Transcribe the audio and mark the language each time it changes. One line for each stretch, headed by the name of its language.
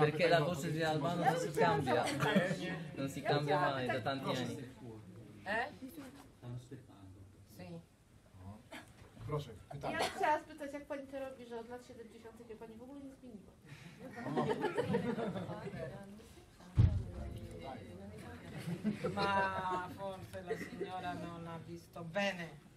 Italian: Perché la voce di Albano non si cambia. Non si cambia mai da tanti anni. Eh? Stanno aspettando. Sì.
Polish: Proszę, pytanie. Ja chciałam spytać, jak pani to robi, że od lat 70. się pani w ogóle nie zmieniła.
Italian: Ma forse la signora non ha visto bene.